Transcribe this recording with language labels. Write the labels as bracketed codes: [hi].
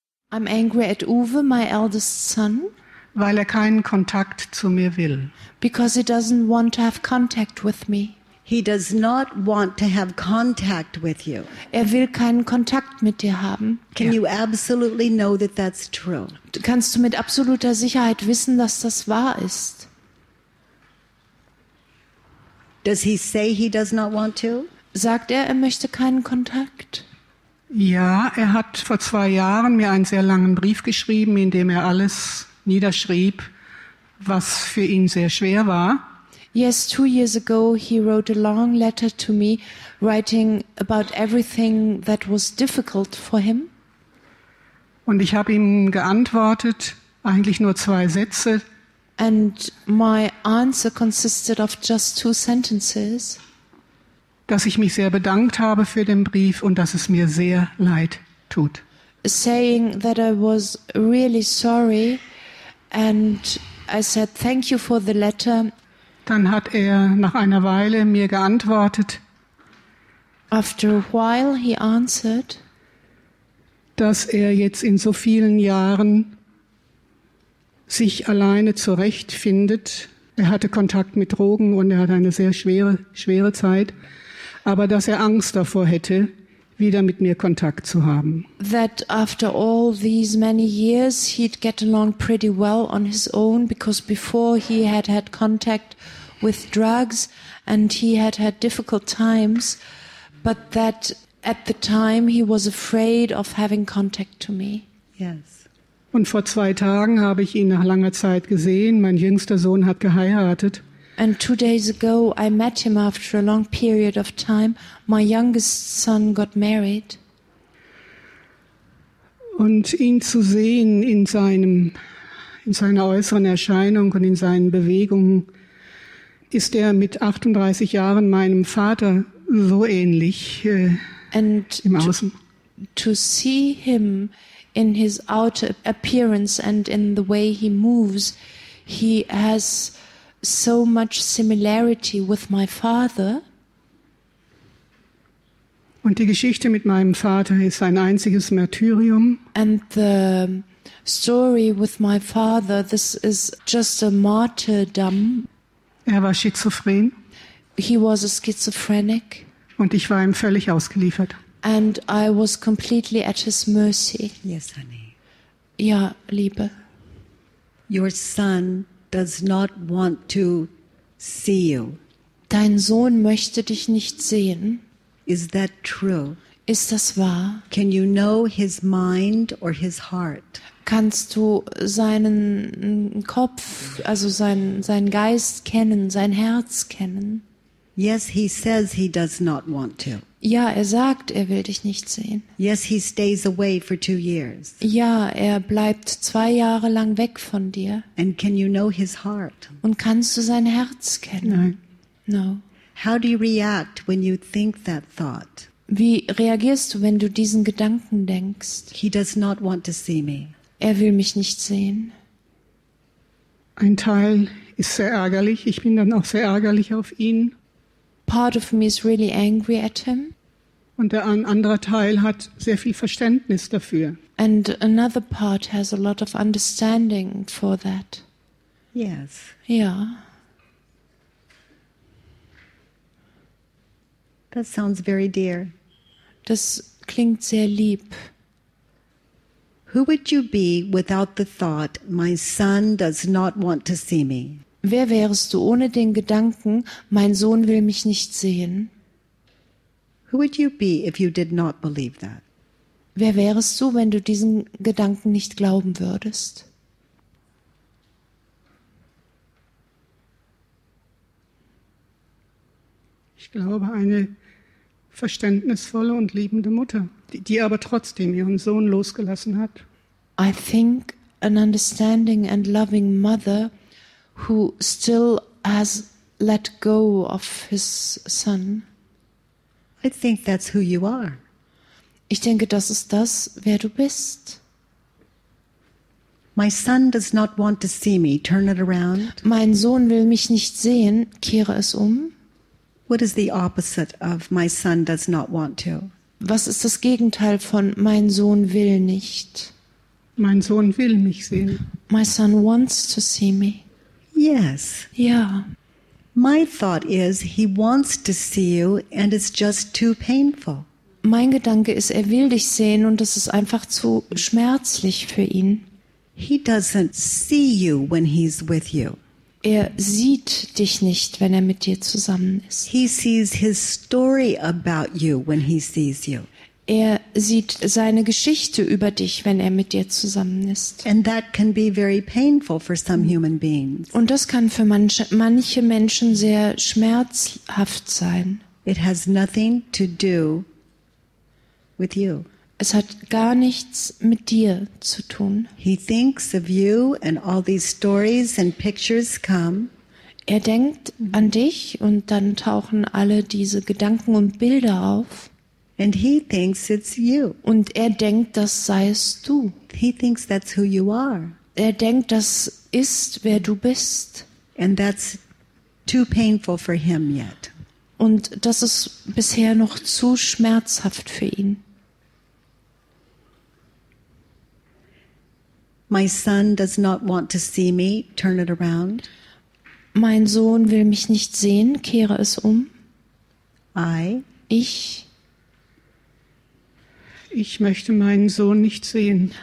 [en] I'm angry at Uwe, my eldest son. [de] Weil er keinen Kontakt zu mir will. [en] Because he doesn't want to have contact with me. He does not want to have contact with you. [de] Er will keinen Kontakt mit dir haben. [en] Can you absolutely know that that's true? [de] Kannst du mit absoluter Sicherheit wissen, dass das wahr ist? [en] Does he say he does not want to? [de] Sagt er, er möchte keinen Kontakt? Ja, er hat vor zwei Jahren mir einen sehr langen Brief geschrieben, in dem er alles niederschrieb, was für ihn sehr schwer war. [en] Yes, 2 years ago he wrote a long letter to me, writing about everything that was difficult for him. [de] Und ich habe ihm geantwortet, eigentlich nur zwei Sätze. [en] And my answer consisted of just 2 sentences. [de] Dass ich mich sehr bedankt habe für den Brief und dass es mir sehr leid tut. [en] Saying that I was really sorry and I said thank you for the letter. [de] Dann hat er nach einer Weile mir geantwortet. [en] After a while he answered, [de] dass er jetzt in so vielen Jahren sich alleine zurechtfindet. Er hatte Kontakt mit Drogen und er hat eine sehr schwere Zeit. Aber dass er Angst davor hätte, wieder mit mir Kontakt zu haben. [en] That after all these many years he'd get along pretty well on his own, because before he had had contact with drugs and he had had difficult times, but that at the time he was afraid of having contact to me. Yes. [de] Und vor zwei Tagen habe ich ihn nach langer Zeit gesehen. Mein jüngster Sohn hat geheiratet. [en] And 2 days ago I met him after a long period of time. My youngest son got married. [de] Und ihn zu sehen in seiner äußeren Erscheinung und in seinen Bewegungen, ist er mit 38 Jahren meinem Vater so ähnlich im Außen. [en] To see him in his outer appearance and in the way he moves, he has so much similarity with my father. [de] Und die Geschichte mit meinem Vater ist ein einziges Märtyrium. [en] And the story with my father, this is just a martyrdom. [de] Er war schizophren. [en] He was a schizophrenic. [de] Und ich war ihm völlig ausgeliefert. [en] And I was completely at his mercy. Yes, honey. [de] Ja, Liebe. [en] Your son does not want to see you. [de] Dein Sohn möchte dich nicht sehen. [en] Is that true? [de] Ist das wahr? [en] Can you know his mind or his heart? [de] Kannst du seinen Kopf, also seinen Geist kennen, sein Herz kennen? [en] Yes, he says he does not want to. [de] Ja, er sagt, er will dich nicht sehen. [en] Yes, he stays away for 2 years. [de] Ja, er bleibt 2 Jahre lang weg von dir. [en] And can you know his heart? [de] Und kannst du sein Herz kennen? Nein. [en] No. How do you react when you think that thought? [de] Wie reagierst du, wenn du diesen Gedanken denkst? [en] He does not want to see me. [de] Er will mich nicht sehen. Ein Teil ist sehr ärgerlich. Ich bin dann auch sehr ärgerlich auf ihn. [en] Part of me is really angry at him. [de] Und der andere Teil hat sehr viel Verständnis dafür. [en] And another part has a lot of understanding for that. Yes. [de] Ja. [en] That sounds very dear. [de] Das klingt sehr lieb. [en] Who would you be without the thought, my son does not want to see me? [de] Wer wärst du ohne den Gedanken, mein Sohn will mich nicht sehen? [en] Who would you be if you did not believe that? [de] Wer wärst du, wenn du diesen Gedanken nicht glauben würdest? Ich glaube, eine verständnisvolle und liebende Mutter, die aber trotzdem ihren Sohn losgelassen hat. [en] I think an understanding and loving mother who still has let go of his son. I think that's who you are. [de] Ich denke, das ist das, wer du bist. [en] My son does not want to see me. Turn it around. [de] Mein Sohn will mich nicht sehen. Kehre es um. [en] What is the opposite of my son does not want to? [de] Was ist das Gegenteil von mein Sohn will nicht? Mein Sohn will mich sehen. [en] My son wants to see me. Yes. Yeah. My thought is, he wants to see you and it's just too painful. [de] Mein Gedanke ist, er will dich sehen und es ist einfach zu schmerzlich für ihn. [en] He doesn't see you when he's with you. [de] Er sieht dich nicht, wenn er mit dir zusammen ist. [en] He sees his story about you when he sees you. [de] Er sieht seine Geschichte über dich, wenn er mit dir zusammen ist. [en] And that can be very painful for some human beings. [de] Und das kann für manche Menschen sehr schmerzhaft sein. [en] It has nothing to do with you. [de] Es hat gar nichts mit dir zu tun. [en] He thinks of you and all these stories and pictures come. [de] Er denkt an dich und dann tauchen alle diese Gedanken und Bilder auf. [en] And he thinks it's you. [de] Und er denkt, das seist du. [en] He thinks that's who you are. [de] Er denkt, das ist, wer du bist. [en] And that's too painful for him yet. [de] Und das ist bisher noch zu schmerzhaft für ihn. [en] My son does not want to see me. Turn it around. [de] Mein Sohn will mich nicht sehen. Kehre es um. Ich möchte meinen Sohn nicht sehen.